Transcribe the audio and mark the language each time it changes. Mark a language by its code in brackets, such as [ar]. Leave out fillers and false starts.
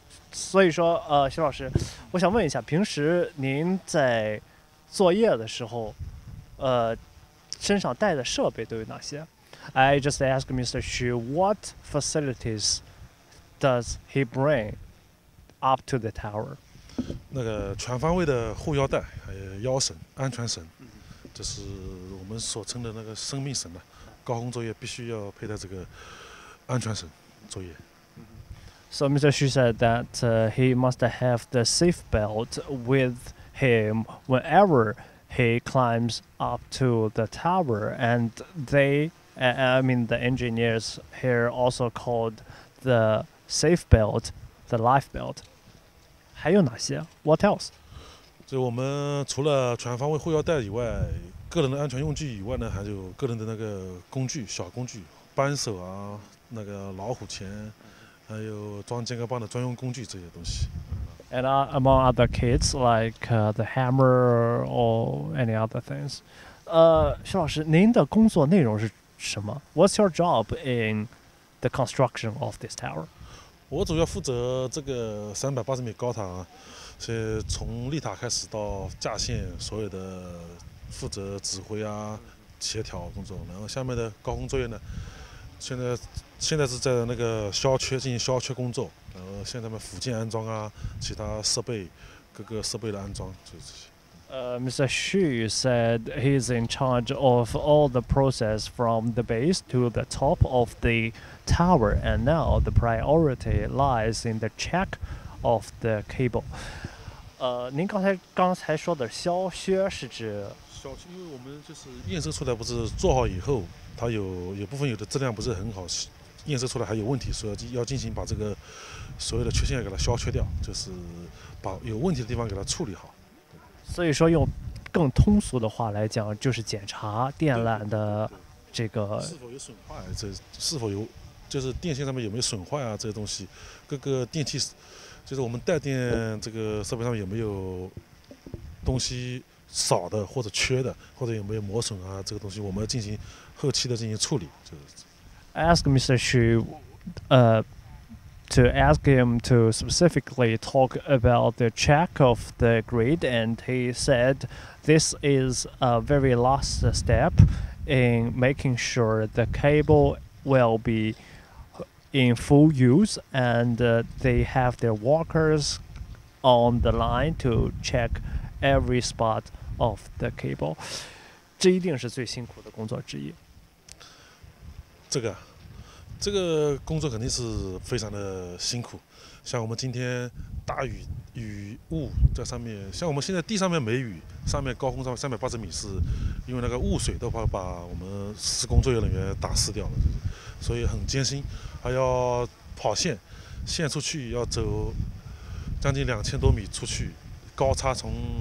[zh] 所以说, 徐老师, 我想问一下, 平时您在作业的时候, 身上带的设备都有哪些? [en] I just asked Mr. Xu, what facilities does he bring up to the tower? [zh] 那个全方位的护腰带, 腰绳, 安全绳, 这是我们所称的那个生命绳, 高空作业必须要佩戴这个安全绳作业。 [en] So Mr. Xu said that he must have the safe belt with him whenever he climbs up to the tower, and the engineers here also called the safe belt the life belt. [zh] 还有哪些 [en] ？What else？ [zh] 就我们除了全方位护腰带以外，个人的安全用具以外呢，还有个人的那个工具，小工具，扳手啊，那个老虎钳，还有装健康棒的专用工具这些东西。 [en] And among other kits, like the hammer or any other things. [zh] 徐老师，您的工作内容是什么 [en] ？What's your job in the construction of this tower？ [zh] 我主要负责这个380米高塔，是从立塔开始到架线，所有的负责指挥啊、协调工作。然后下面的高空作业呢，现在是在那个削缺进行削缺工作。然后现在嘛，附件安装啊，其他设备，各个设备的安装就这些。 [en] Mr. Xu said he's in charge of all the process from the base to the top of the tower, and now the priority lies in the check of the cable. [zh] 您刚才说的削削是指？削缺，因为我们就是验收出来不是做好以后，它有部分有的质量不是很好，验收出来还有问题，所以要进行把这个所有的缺陷给它削缺掉，就是把有问题的地方给它处理好。所以说用更通俗的话来讲，就是检查电缆的这个是否有损坏，这是否有就是电线上面有没有损坏啊，这些东西各个电器就是我们带电这个设备上面有没有东西少的或者缺的，或者有没有磨损啊，这个东西我们要进行后期的进行处理。就是 [en] Ask Mr. Xu to ask him to specifically talk about the check of the grid, and he said this is a very last step in making sure the cable will be in full use and they have their workers on the line to check every spot of the cable. [zh] 这一定是最辛苦的工作之一。这个工作肯定是非常的辛苦，像我们今天大雨雾在上面，像我们现在地上面没雨，上面高空上面380米是因为那个雾水的话把我们施工作业人员打湿掉了，就是，所以很艰辛，还要跑线出去要走将近2000多米出去，高差从